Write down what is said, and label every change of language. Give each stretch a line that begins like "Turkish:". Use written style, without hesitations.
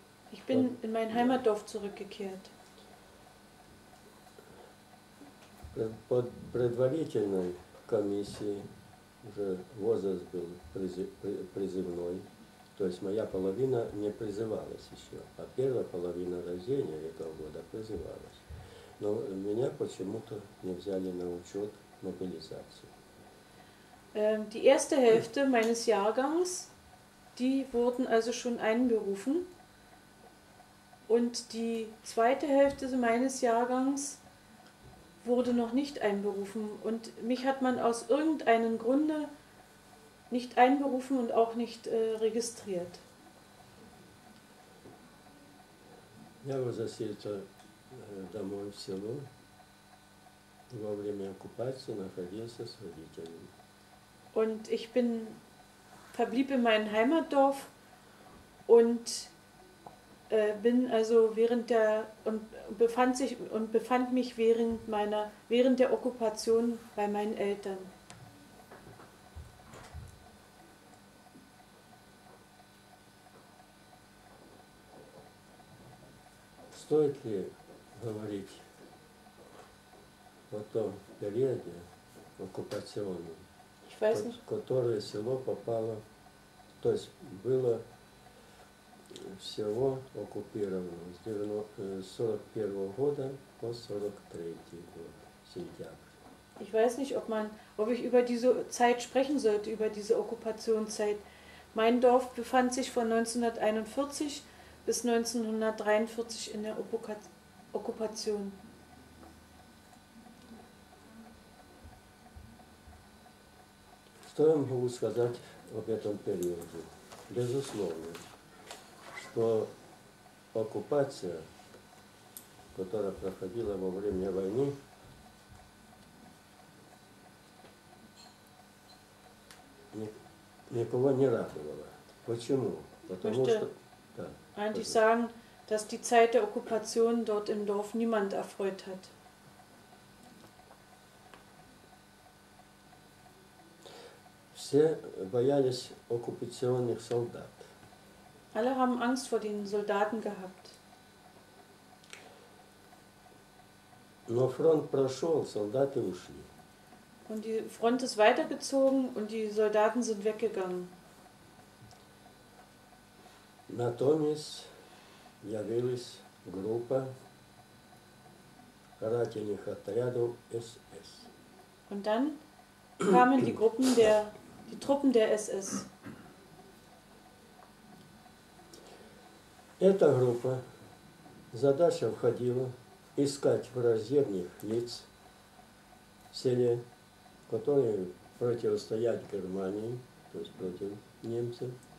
German: Ich bin in mein Heimatdorf zurückgekehrt.
Russian: Под предварительной комиссией уже возраст был призывной. То есть моя половина не призывалась еще, а первая половина рождения этого года призывалась. Но меня почему-то не взяли на учет мобилизации.
German: Die erste Hälfte meines Jahrgangs, die wurden also schon einberufen. Und die zweite Hälfte meines Jahrgangs wurde noch nicht einberufen. Und mich hat man aus irgendeinem Grunde nicht einberufen und auch nicht registriert.
Russian: Я возвратился домой в село. Во время оккупации находился с родителями.
German: Und ich verblieb in meinem Heimatdorf und bin also während der und befand sich und befand mich während meiner während der Okkupation bei meinen Eltern.
Russian: Стоит ли говорить о том периоде оккупационном, которое село попало, то есть было всего оккупировано с 1941 года по 1943 год, сентябрь.
German: Ich weiß nicht, ob ich über diese Zeit sprechen sollte, über diese Okkupationszeit. Mein Dorf befand sich von 1941 bis 1943 in der Okkupation.
Russian: Что я могу сказать об этом периоде? Безусловно, что оккупация, которая проходила во время войны, никого не радовала. Почему? Потому что
German: eigentlich sagen, dass die Zeit der Okkupation dort im Dorf niemand erfreut hat.
Russian: Все боялись оккупационных солдат.
German: Alle haben Angst vor den Soldaten gehabt.
Russian: Но фронт прошел, солдаты ушли.
German: Und die Front ist weitergezogen und die Soldaten sind weggegangen.
Russian: На том месте явилась группа карательных отрядов СС.
German: Und dann kamen die Truppen der SS.
Russian: Эта группа, задача входила искать враждебных лиц в селе, которые противостоят Германии, то есть против немцев.